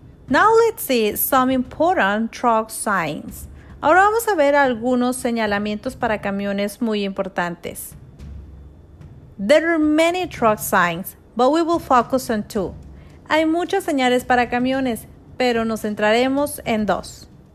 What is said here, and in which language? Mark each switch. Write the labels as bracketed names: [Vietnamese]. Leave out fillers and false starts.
[English] Now let's see some important truck signs. [Spanish] Ahora vamos a ver algunos señalamientos para camiones muy importantes. [English] There are many truck signs, but we will focus on two. [Spanish] Hay muchas señales para camiones, pero nos centraremos en dos.